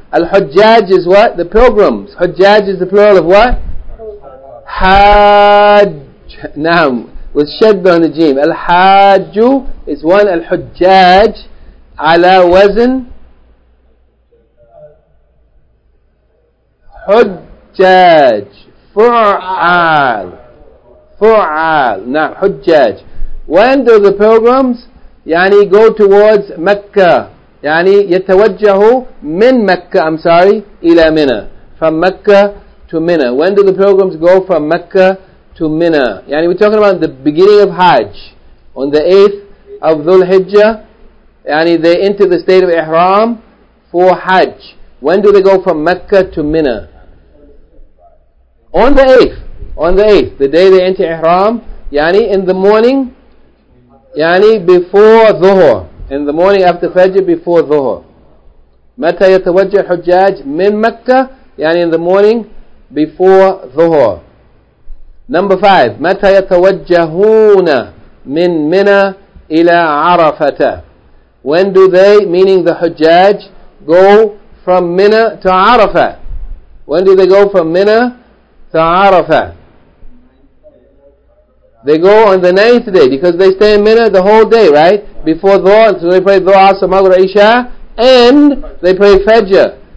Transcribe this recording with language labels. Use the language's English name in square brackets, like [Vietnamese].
[English] الحجاج is what? The pilgrims. حجاج is the plural of what? [Arabic] حاج. نعم. [English] With شد on the جيم. [Arabic] الحاج [English] is one [Arabic] الحجاج على وزن حجاج فعال فعال. نعم حجاج. [English] When do the pilgrims يعني go towards مكة [Arabic] يعني يتوجه من مكة [English] I'm sorry [Arabic] إلى منى. [English] From مكة to منى. When do the pilgrims go from مكة to Mina? Yani we're talking about the beginning of Hajj. On the 8th of Dhul Hijjah, yani they enter the state of Ihram for Hajj. When do they go from Mecca to Mina? On the 8th. On the 8th. The day they enter Ihram. Yani in the morning. Yani before Dhuhr. In the morning after Fajr, before Dhuhr. [Arabic] Mata yatawajjah hujjaj min Mecca. [English] Yani in the morning before Dhuhr. Number 5. [Arabic] متى يتوجهون من منى إلى عرفة. [English] When do they, meaning the حجاج, go from منى to عرفة? When do they go from منى to عرفة? They go on the 9th day because they stay in منى the whole day, right? Before Dhuhr, so they pray Dhuhr, Asr, Maghrib, Isha, and they pray Fajr.